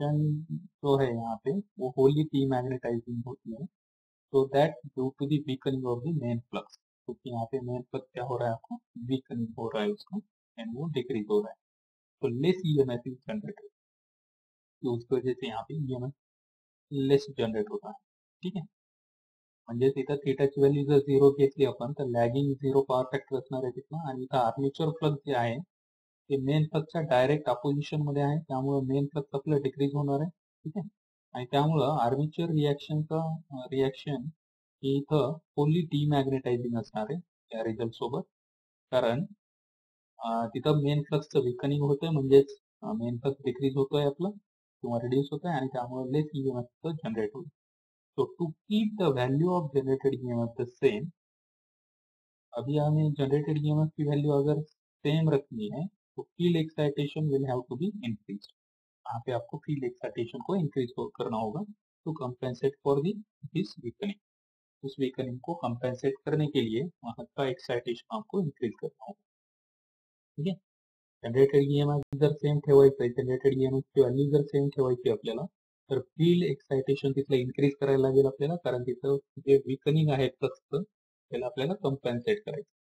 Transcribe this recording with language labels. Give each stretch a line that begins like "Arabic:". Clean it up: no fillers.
Hindi: जो है यहाँ पे वो होली डीमैग्नेटाइजिंग होती है,
English: so that due to the weakening of the main flux,
Hindi: क्योंकि यहाँ पे मेन फ्लक्स क्या हो रहा है आपको, वीकनिंग हो रहा है उसको एंड वो डिक्रीज हो रहा है,
English: तो less EMF is generated,
Hindi: तो उसकी वजह से यहाँ पे ईएमएफ लेस जनरेट होता है। ठीक है, जैसे इधर थीटा की वैल्यू इधर जीरो के लिए अपन तो लैगिंग जीरो पावर फैक्टर रखना रहे कितना, और इधर आर्मेचर फ्लक्स जो आए ये मेन फ्लक्स का
Marathi: डायरेक्ट अपोजिशन मध्ये आहे, त्यामुळे मेन फ्लक्स आपलं डिक्रीज होणार आहे। ठीक आहे, आणि त्यामुळं आर्मेचर रिॲक्शनचा रिॲक्शन इथं फुल्ली डीमॅग्नेटायझिंग असणार आहे या रिझल्ट सोबत, कारण तिथं मेन फ्लक्सचं विकनिंग होतंय, म्हणजेच मेन फ्लक्स डिक्रीज होतोय आपलं किंवा रिड्यूस होतोय, आणि त्यामुळे लेस ईएमएफ जनरेट होईल।
English: तो to keep the value of generated EMF the same,
Hindi: अभी हमें जनरेटेड ईएमएफ की वैल्यू अगर सेम रखनी है तो
English: field excitation will have to be increase,
Hindi: यहाँ पे आपको फील्ड एक्साइटेशन को इंक्रीज करना होगा
English: to compensate for the this weakening,
Hindi: उस वीकनिंग को कंपेंसेट करने के लिए वहां का एक्साइटेशन आपको इंक्रीज करना होगा।
Marathi: ठीक है, जनरेटेड ईएमएफ जर सेम ठेवायचं, जनरेटेड ईएमएफ की वैल्यू जर सेम ठेवायची आपल्याला, तर फील्ड एक्साइटेशन तिथलं इन्क्रीज करायला लागेल आपल्याला, कारण तिथं जे वीकनिंग आहे फ्लक्सचं त्याला आपल्याला कंपेन्सेट करायचं।